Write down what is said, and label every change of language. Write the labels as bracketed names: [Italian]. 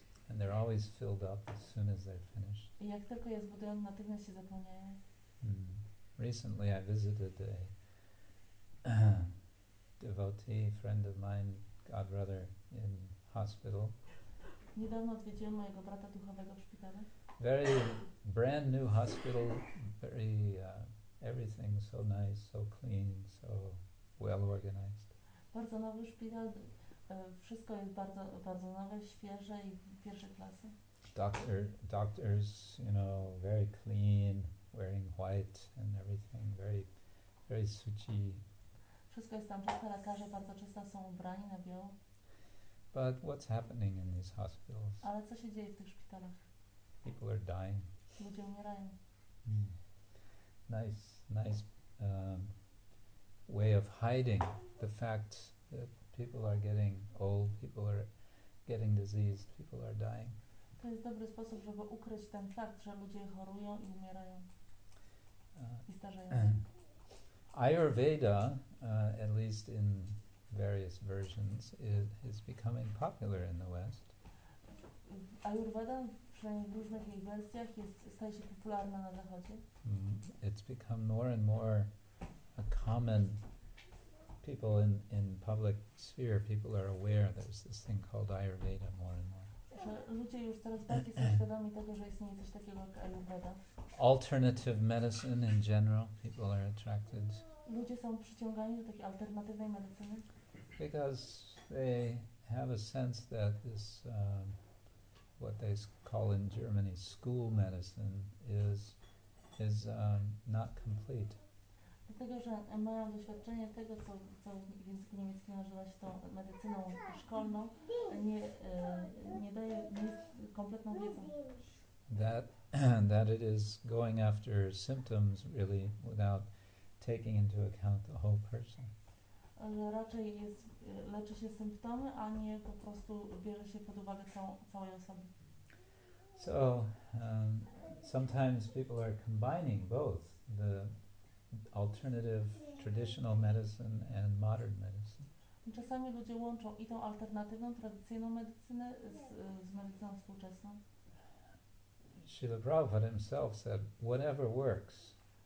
[English] And they're always filled up as soon as they're finished. [Polish] I jak tylko je zbudują, natychmiast się zapełniają. [English] Recently I visited a devotee, friend of mine, godbrother, in hospital. [Polish] Niedawno odwiedziłem mojego brata duchowego w szpitalu. [English] Very brand new hospital, very everything so nice, so clean, so well organized. [Polish] Bardzo nowy szpital, wszystko jest bardzo, bardzo nowe, świeże i pierwszej klasy. [English] Doctors, you know, very clean, wearing white and everything, very, very suci. [Polish] Wszystko jest tam czyste, lekarze bardzo czyste, są ubrani na biało. [English] But what's happening in these hospitals? [Polish] Ale co się dzieje w tych szpitalach? [English] People are dying. [Polish] Ludzie umierają. [English] Nice way of hiding the fact that people are getting old, people are getting diseased, people are dying. [Polish] To jest dobry sposób, żeby ukryć ten fakt, że ludzie chorują i umierają. I starzeją się. [English] Ayurveda, at least in various versions, is becoming popular in the West. [Polish] Ayurveda, przynajmniej w różnych jej wersjach, staje się popularna na Zachodzie. [English] It's become more and more a common people in public sphere. People are aware there's this thing called Ayurveda more and more. [Polish] Ludzie już coraz bardziej są świadomi tego, że istnieje coś takiego jak Ayurveda. [English] Alternative medicine in general, people are attracted. [Polish] Ludzie są przyciągani do takiej alternatywnej medycyny. [English] Because they have a sense that this, what they call in Germany, school medicine, is not complete. [Polish] Dlatego, że moje doświadczenie tego, co w języku niemieckim nazywa się tą medycyną szkolną, nie daje kompletną wiedzą. [English] That it is going after symptoms really without taking into account the whole person. [Polish] Raczej jest, leczy się symptomy, a nie po prostu bierze się pod uwagę całej osoby. [English] So sometimes people are combining both the alternative traditional medicine and modern medicine. [Polish] Czasami ludzie łączą i tą alternatywną, tradycyjną medycynę z medycyną współczesną. [English] Srila Prabhupada himself said, whatever works.